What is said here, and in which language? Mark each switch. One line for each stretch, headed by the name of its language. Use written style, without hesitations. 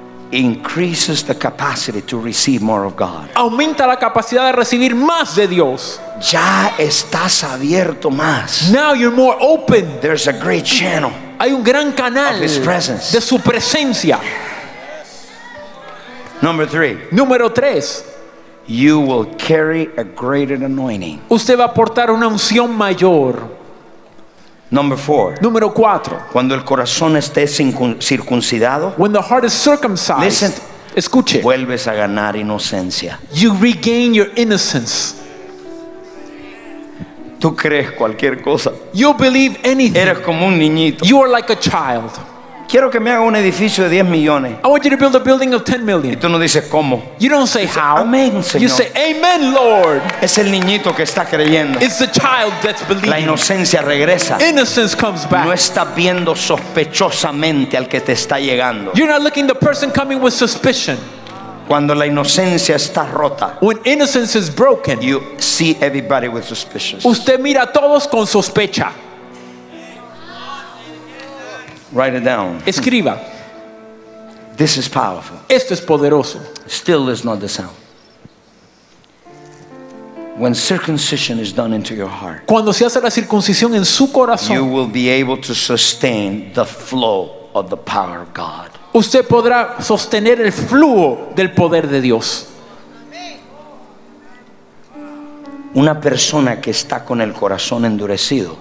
English: Increases the capacity to receive more of God.
Spanish: Aumenta la capacidad de recibir más de Dios. Ya estás abierto más.
English: Now you're more open. There's a great channel.
Spanish: Hay un gran canal
English: of His presence.
Spanish: De su presencia.
English: Number three.
Spanish: Número tres.
English: You will carry a greater anointing.
Spanish: Usted va a portar una unción mayor.
English: Number four.
Spanish: Número cuatro. Cuando el corazón esté circuncidado.
English: When the heart is circumcised. Listen.
Spanish: Escuche. Vuelves a ganar inocencia.
English: You regain your innocence.
Spanish: Tú crees cualquier cosa.
English: You believe anything.
Spanish: Eres como un niñito.
English: You are like a child.
Spanish: Quiero que me haga un edificio de 10 millones.
English: I want you to build a building of 10 million.
Spanish: Y tú no dices cómo.
English: You don't say how.
Spanish: Amén, Señor.
English: You say amen, Lord.
Spanish: Es el niñito que está creyendo.
English: It's the child that's believing.
Spanish: La inocencia regresa.
English: Innocence comes back.
Spanish: No estás viendo sospechosamente al que te está llegando.
English: You're not looking at the person coming with suspicion.
Spanish: Cuando la inocencia está rota.
English: When innocence is broken. You see everybody with suspicion.
Spanish: Usted mira a todos con sospecha.
English: Write it down.
Spanish: Escriba.
English: This is powerful.
Spanish: Esto es poderoso.
English: Still is not the sound. When circumcision is done into your heart.
Spanish: Cuando se hace la circuncisión en su corazón.
English: You will be able to sustain the flow of the power of God.
Spanish: Usted podrá sostener el flujo del poder de Dios. Una persona que está con el corazón endurecido.